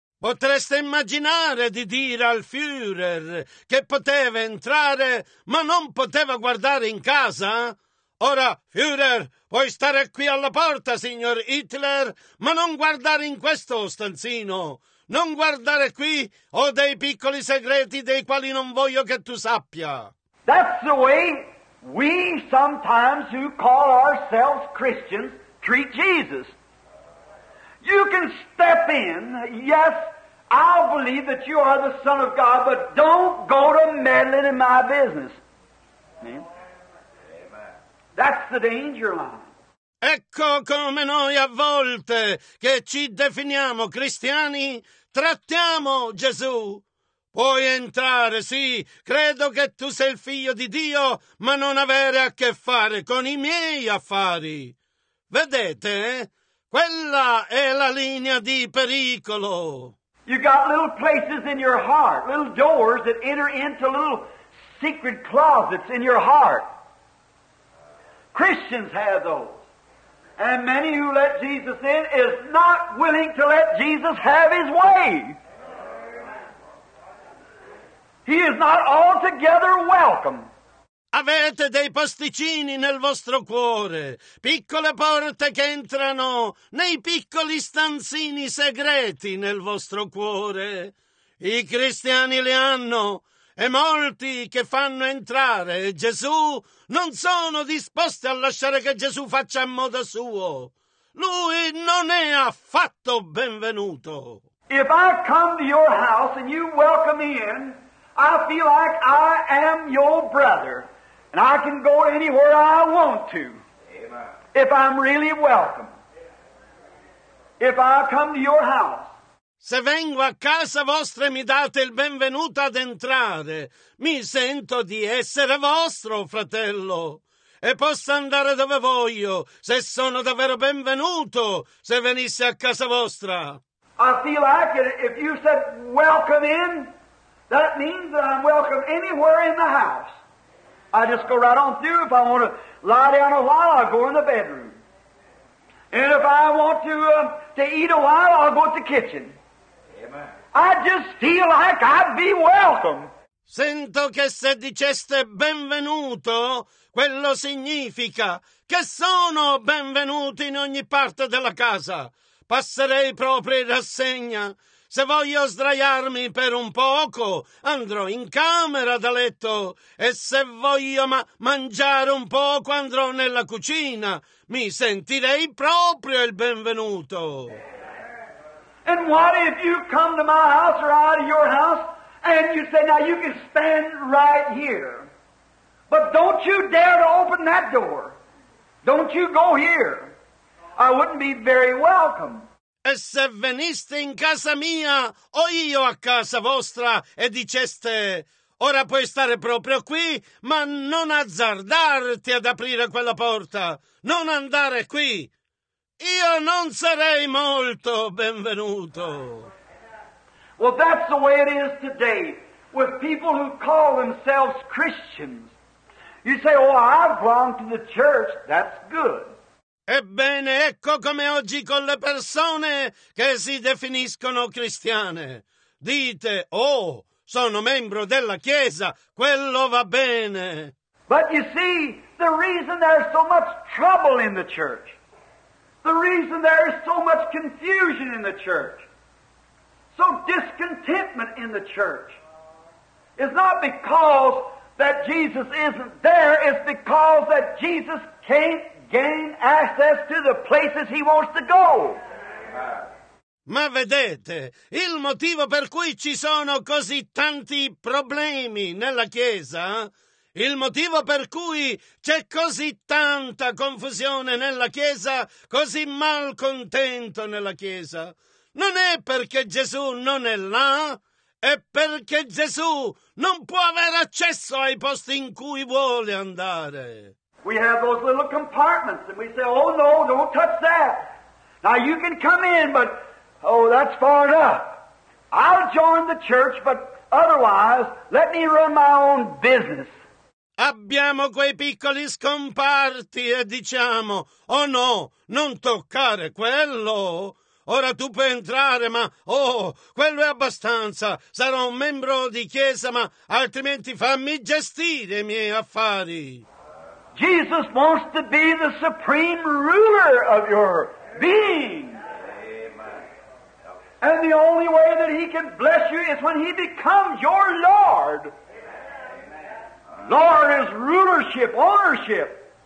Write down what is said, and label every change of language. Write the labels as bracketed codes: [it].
[it] Potreste immaginare di dire al Führer che poteva entrare, ma non poteva guardare in casa? Ora, Führer, puoi stare qui alla porta, signor Hitler, ma non guardare in questo stanzino. Non guardare qui, ho dei piccoli segreti dei quali non voglio che tu sappia. [en] That's the way we sometimes, who call ourselves Christians, treat Jesus. You can step in, yes, I'll believe that you are the Son of God, but don't go to meddling in my business. Amen. That's the danger line. [it] Ecco come noi a volte che ci definiamo cristiani, trattiamo Gesù. Puoi entrare, sì, credo che tu sei il figlio di Dio, ma non avere a che fare con i miei affari. Vedete? Quella è la linea di pericolo. [en] You got little places in your heart, little doors that enter into little secret closets in your heart. Christians have those. And many who let Jesus in is not willing to let Jesus have his way. He is not altogether welcome. [it] Avete dei posticini nel vostro cuore, piccole porte che entrano nei piccoli stanzini segreti nel vostro cuore. I cristiani li hanno, e molti che fanno entrare Gesù non sono disposti a lasciare che Gesù faccia a modo suo. Lui non è affatto benvenuto. [en] If I come to your house and you welcome me in, I feel like I am your brother. And I can go anywhere I want to. Amen. If I'm really welcome. If I come to your house. [it] Se vengo a casa vostra e mi date il benvenuto ad entrare, mi sento di essere vostro, fratello. E posso andare dove voglio, se sono davvero benvenuto, se venisse a casa vostra. [en] I feel like it. If you said welcome in, that means that I'm welcome anywhere in the house. I just go right on through. If I want to lie down a while, I'll go in the bedroom. And if I want to eat a while, I'll go to the kitchen. Amen. I just feel like I'd be welcome. [it] Sento che se diceste benvenuto, quello significa che sono benvenuto in ogni parte della casa. Passerei proprio in rassegna. Se voglio sdraiarmi per un poco, andrò in camera da letto. E se voglio mangiare un poco, andrò nella cucina. Mi sentirei proprio il benvenuto. [en] And what if you come to my house or out of your house and you say, now you can stand right here. But don't you dare to open that door. Don't you go here. I wouldn't be very welcome. [it] E se veniste in casa mia o io a casa vostra e diceste, ora puoi stare proprio qui, ma non azzardarti ad aprire quella porta, non andare qui, io non sarei molto benvenuto. [en] Well, that's the way it is today with people who call themselves Christians. You say, oh, I belong to the church, that's good. [it] Ebbene, ecco come oggi con le persone che si definiscono cristiane. Dite, oh, sono membro della Chiesa, quello va bene. [en] But you see, the reason there's so much trouble in the church, the reason there is so much confusion in the church, so discontentment in the church, is not because that Jesus isn't there, it's because that Jesus can't gain access to the places he wants to go. [it] Ma vedete, il motivo per cui ci sono così tanti problemi nella Chiesa, il motivo per cui c'è così tanta confusione nella Chiesa, così malcontento nella Chiesa, non è perché Gesù non è là, è perché Gesù non può avere accesso ai posti in cui vuole andare. [en] We have those little compartments, and we say, oh, no, don't touch that. Now, you can come in, but, oh, that's far enough. I'll join the church, but otherwise, let me run my own business. [it] Abbiamo quei piccoli scomparti e diciamo, oh no, non toccare quello. Ora tu puoi entrare, ma, oh, quello è abbastanza. Sarò un membro di chiesa, ma altrimenti fammi gestire i miei affari. [en] Jesus wants to be the supreme ruler of your being. And the only way that he can bless you is when he becomes your Lord. Lord is rulership, ownership.